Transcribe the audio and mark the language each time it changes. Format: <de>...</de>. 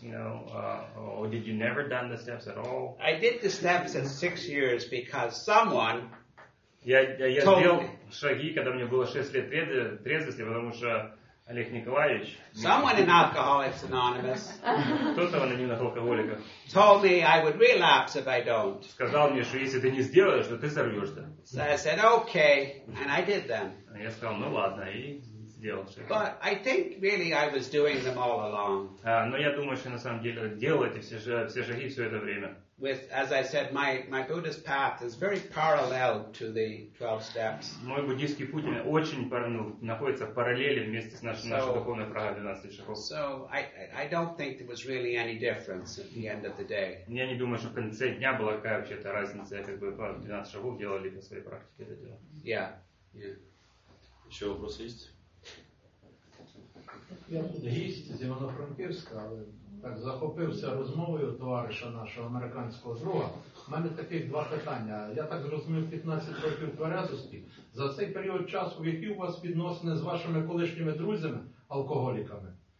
<en>You know, or did you never done the steps at all? I did the steps in 6 years because someone.</en> <ru>Я сделал шаги, когда мне было 6 лет трезвости, потому что Олег Николаевич.</ru> <en>Someone in Alcoholics Anonymous.</en> <ru>Кто-то в анонимных алкоголиках.</ru> <en>Told me I would relapse if I don't.</en> <ru>Сказал мне, что если ты не сделаешь, то ты сорвешься.</ru> <en>So I said okay, and I did them.</en> <ru>Я сказал, ну ладно, и сделал шаги.</ru> <en>But I think really I was doing them all along.</en> <ru>Но я думаю, что на самом деле делал эти все шаги все это время.</ru> <en>With, as I said, my Buddhist path is very parallel to the 12 steps.</en> <ru>Мой буддийский путь очень находится в параллели вместе с нашей духовной программой 12 шагов.</ru> <en>So I don't think there was really any difference at the end of the day.</en> <ru>Я не думаю, что в конце дня была какая вообще-то разница, как бы по 12 шагов делали по своей практике это дело.</ru> <en>Yeah.</en> <ru>Еще вопрос есть?</ru> <uk>Есть из Івано-Франківська, але так захопився розмовою товариша нашого американського друга. У мене таких два питання. Я так зрозумів, 15 років порядності. За цей період часу, які у вас відносини з вашими колишніми друзями, алкоголіками?</uk>